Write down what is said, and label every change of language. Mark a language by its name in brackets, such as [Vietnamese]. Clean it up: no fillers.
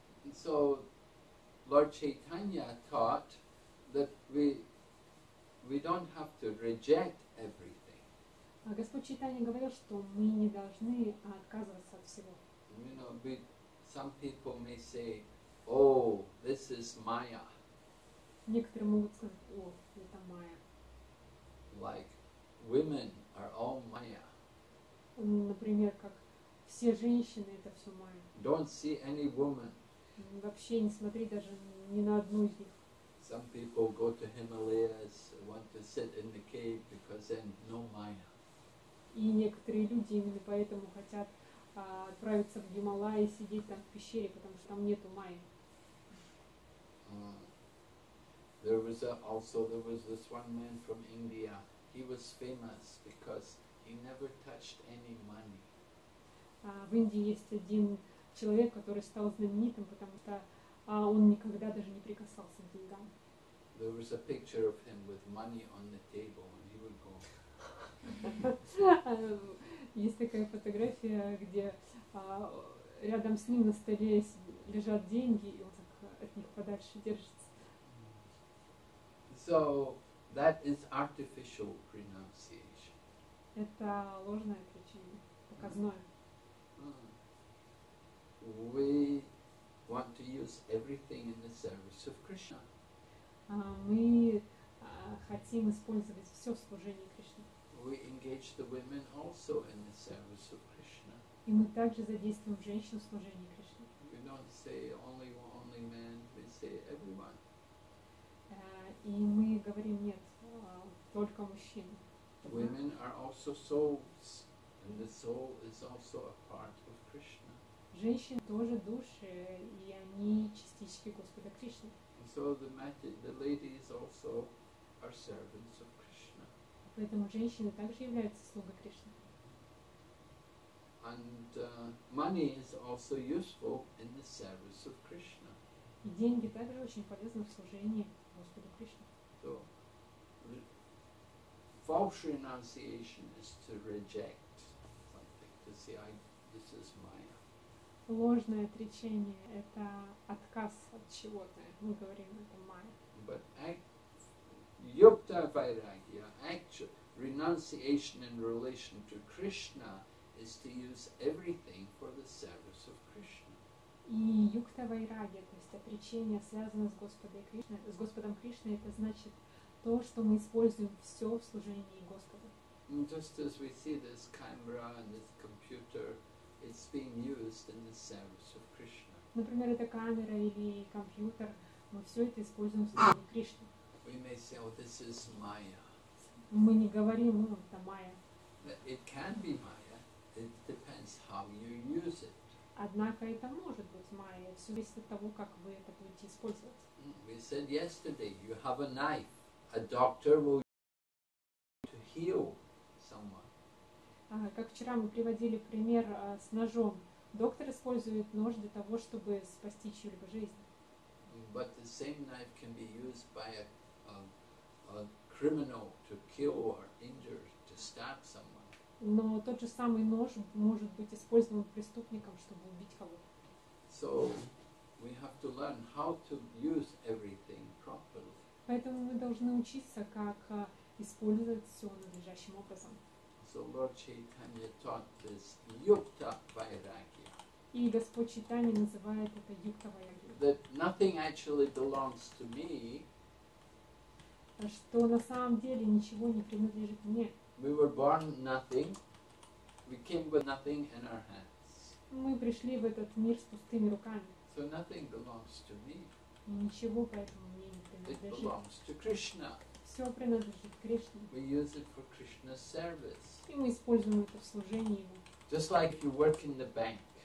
[English] And so Lord Chaitanya taught that we don't have to reject everything. [Russian] Господь Чайтанья говорил, что мы не должны отказываться от всего. [English] You know, some people may say, "Oh, this is Maya." [Russian] Некоторые могут сказать, "О, это Maya." [English] Like, women are all Maya. [Russian] Например, как все женщины это все Maya. [English] Don't see any woman. [Russian] Вообще не смотри даже ни на одну из них. [English] Some people go to Himalayas, want to sit in the cave because then no Maya. [Russian] И некоторые люди именно поэтому хотят отправиться в Гималаи и сидеть там в пещере, потому что там нету майи. [English] There was this one man from India. He was famous because he never touched any money. [Russian] В Индии есть один человек, который стал знаменитым, потому что он никогда даже не прикасался к деньгам. [English] There was a picture of him with money on the table, and he would go. [Russian] Есть такая фотография, где рядом с ним на столе лежат деньги, и он так от них подальше держится. [English] So that is artificial renunciation. [Russian] Это ложное отречение, показное. [English] We want to use everything in the service of Krishna. [Russian] Мы хотим использовать все в служении Кришне. [English] We engage the women also in the service of Krishna. [Russian] И мы также задействуем женщин в служении Кришне. [English] We don't say only men, we say everyone. [Russian] И мы говорим нет, только мужчин. [English] Women are also souls, and the soul is also a part of Krishna. [Russian] Женщины тоже души, и они частички Господа Кришны. [English] So the ladies also are servants of Krishna. [Russian] Поэтому женщины также являются слугой Кришны. [English] And money is also useful in the service of Krishna. [Russian] И деньги также очень полезны в служении Господу Кришне. [English] So, false renunciation is to reject something, to say, this is Maya. [Russian] Ложное отречение – это отказ от чего-то. Мы говорим, это Maya. [English] But Yukta Vairagya, actual renunciation in relation to Krishna, is to use everything for the service of Krishna. [Russian] И Yukta Vairagya, то есть отречение, связанное с Господом Кришной, это значит то, что мы используем все в служении Господа. [English] Just as we see this camera and this computer, it's being used in the service of Krishna. [Russian] Например, эта камера или компьютер, мы все это используем в служении Кришны. [English] We may say, this is Maya. [Russian] Мы не говорим, это Maya. [English] It can be Maya. It depends how you use it. [Russian] Однако это может быть Maya. Все зависит от того, как вы это будете использовать. [English] We said yesterday, you have a knife. A doctor will use it to heal someone. [Russian] Как вчера мы приводили пример с ножом. Доктор использует нож для того, чтобы спасти чью-либо жизнь. [English] But the same knife can be used by a criminal to kill or injure, to stab someone. [Russian] Но тот же самый нож может быть использован преступником, чтобы убить кого-то. [English] So we have to learn how to use everything properly. [Russian] Поэтому мы должны учиться, как использовать все надлежащим образом. [English] So Lord Chaitanya taught this Yukta Vairagya. [Russian] И Господь Чайтанья называет это Юкта Вайрагья. [English] That nothing actually belongs to me. [Russian] что на самом деле ничего не принадлежит мне. [English] We were born nothing, we came with nothing in our hands. [Russian] Мы пришли в этот мир с пустыми руками. [English] So nothing belongs to me. [Russian] И ничего поэтому мне не принадлежит. [English] It belongs to Krishna. [Russian] Все принадлежит Кришне. [English] We use it for Krishna's service. [Russian] И мы используем это в служении Ему. [English] Just like you work in the bank.